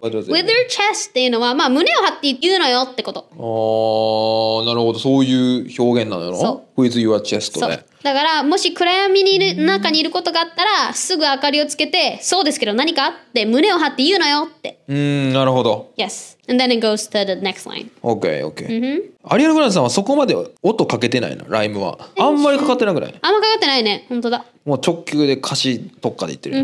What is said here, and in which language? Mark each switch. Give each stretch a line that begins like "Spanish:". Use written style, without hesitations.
English: with your chest
Japanese: っていうのは、まあ胸を張って言うのよってこと。あー、なるほど。そういう表現なのよな。そう。
English: With your chest で
Japanese: だからもし暗闇にいる中にいることがあったらすぐ明かりをつけてそうですけど何かって胸を張って言うなよってなるほど
English: Yes And then it goes to the next line OK OK、 mm-hmm.
Japanese: アリアナグランさんはそこまで音かけてないなライムはあんまりかかってなくないあんまかかってないね本当だもう直球で歌詞特化で言ってる、